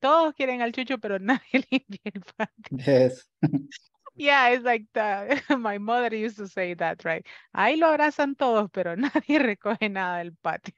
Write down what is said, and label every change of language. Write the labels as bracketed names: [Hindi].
[Spanish] Todos quieren al chucho, pero nadie limpia el patio. [English] Yes. Yeah, it's like my mother used to say that, right? [Spanish] Ahí lo abrazan todos, pero nadie recoge nada del patio.